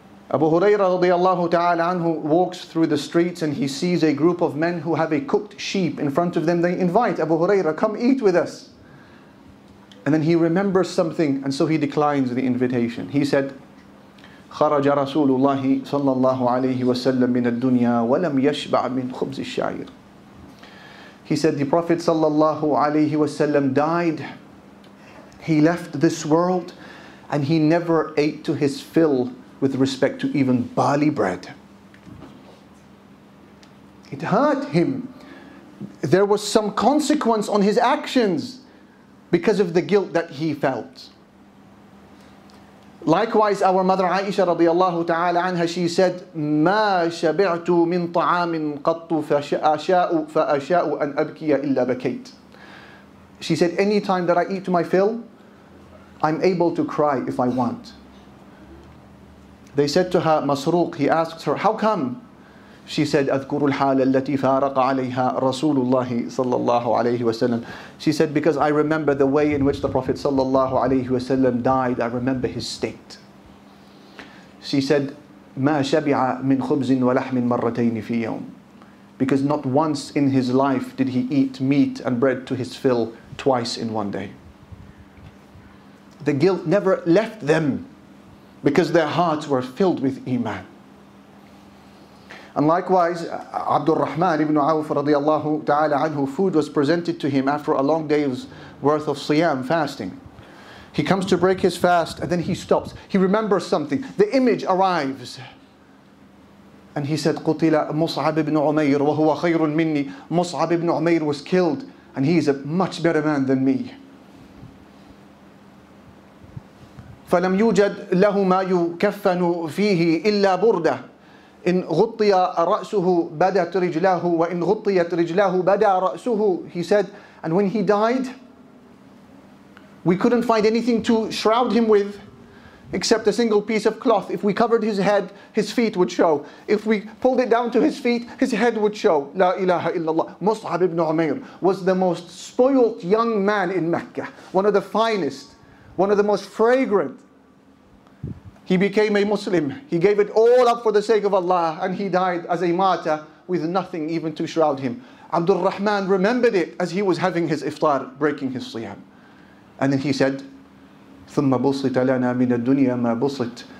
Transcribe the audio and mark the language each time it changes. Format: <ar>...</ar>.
<en>Abu Hurairah radiallahu ta'ala anhu walks through the streets and he sees a group of men who have a cooked sheep in front of them. They invite Abu Hurairah, "Come eat with us." And then he remembers something, and so he declines the invitation. He said,</en> <ar>خرج رسول الله صلى الله عليه وسلم من الدنيا ولم يشبع من خبز الشعير.</ar> <en>He said the Prophet صلى الله عليه وسلم died. He left this world and he never ate to his fill with respect to even barley bread. It hurt him. There was some consequence on his actions because of the guilt that he felt. Likewise, our mother Aisha radiallahu ta'ala anha, she said, مَا شَبِعْتُ مِن طَعَامٍ قَطُّ فَأَشَاءُ أَنْ أَبْكِيَ إِلَّا بَكَيْتُ. She said, any time that I eat to my fill, I'm able to cry if I want. They said to her, Masruq, he asks her, how come?</en> <ar>She said, أَذْكُرُ الْحَالَ الَّتِي فَارَقَ عَلَيْهَا رَسُولُ اللَّهِ صَلَّى اللَّهُ عَلَيْهِ وَسَلَّمُ.</ar> <en>She said, because I remember the way in which the Prophet صَلَّى اللَّهُ عَلَيْهِ وَسَلَّمُ died, I remember his state.</en> <ar>She said, مَا شَبِعَ مِنْ خُبْزٍ وَلَحْمٍ مَرَّتَيْنِ فِي يَوْمٍ.</ar> <en>Because not once in his life did he eat meat and bread to his fill twice in one day. The guilt never left them because their hearts were filled with iman. And likewise, Abdul Rahman ibn Awf radiallahu ta'ala anhu, food was presented to him after a long day's worth of siyam, fasting. He comes to break his fast and then he stops. He remembers something. The image arrives.</en> <ar>And he said, قُتِلَ مُصْعَبِ ابْنُ عُمَيْرُ وَهُوَ خَيْرٌ مِنِّي.</ar> <en>Mus'ab ibn Umayr was killed and he is a much better man than me.</en> <ar>فَلَمْ يُوجَدْ لَهُ مَا يُكَفَّنُ فِيهِ إِلَّا بُرْدَةً. إن غطي رأسه بدت رجلاه وإن غطيت رجلاه بدا رأسه.</ar> <en>He said, and when he died, we couldn't find anything to shroud him with except a single piece of cloth. If we covered his head, his feet would show. If we pulled it down to his feet, his head would show.</en> <ar>لا إله إلا الله.</ar> <en>Mus'ab ibn Umayr was the most spoiled young man in Mecca, one of the finest, one of the most fragrant. He became a Muslim. He gave it all up for the sake of Allah and he died as a martyr with nothing even to shroud him. Abdul Rahman remembered it as he was having his iftar, breaking his siyam.</en> <ar>And then he said, ثُمَّ بُصِّتَ لَنَا مِنَ الدُّنْيَا مَا بُصِّتْ.</ar>